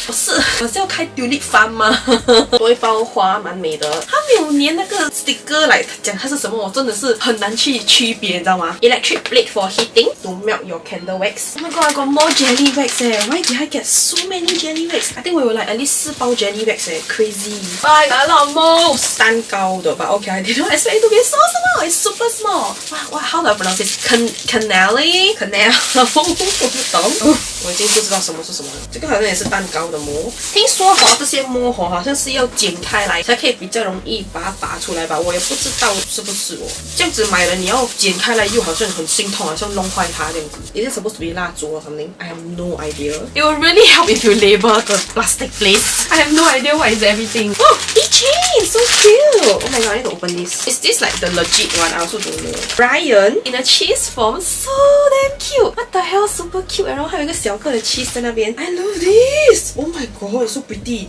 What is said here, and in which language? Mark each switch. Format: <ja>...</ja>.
<zh>不是，我是要开 tulip farm 吗？多一包花蛮美的，它没有粘那个 sticker 来讲它是什么，我真的是很难去区别，你知道吗 ？</zh> <en>Electric plate for heating to melt your candle wax。 Oh my god， I got more jelly wax 哎 ，why did I get so many jelly wax？ I think</en> <zh>我有</zh> <en>like at least 4包 jelly wax 哎 ，crazy。 Buy a lot more</en> <zh>蛋糕的</zh> <en>，but okay， I didn't expect it to be so small， it's super small。哇 ，how do I pronounce this？ Canali，</en> <zh>我不懂。我已经不知道什么是什么了。这个好像也是蛋糕的膜。听说哈，这些膜哈好像是要剪开来才可以比较容易把它拔出来吧？我也不知道是不是哦。这样子买了，你要剪开来又好像很心痛，好像弄坏它这样子。</zh> <en>Is it supposed to be</en> <zh>蜡烛</zh> <en>or something？ I have no idea. It will really help if you label the plastic plate. I have no idea what is everything. Oh, keychain, so cute. Oh my god, I need to open this. Is this like the legit one? I also don't know. Brian in a cheese form, so damn cute. What the hell? Super cute.</en> <zh>然后还有一个小小个的</zh> <en>cheese</en> <zh>在那边</zh> <en>，I love this. Oh my god, it's so pretty.</en>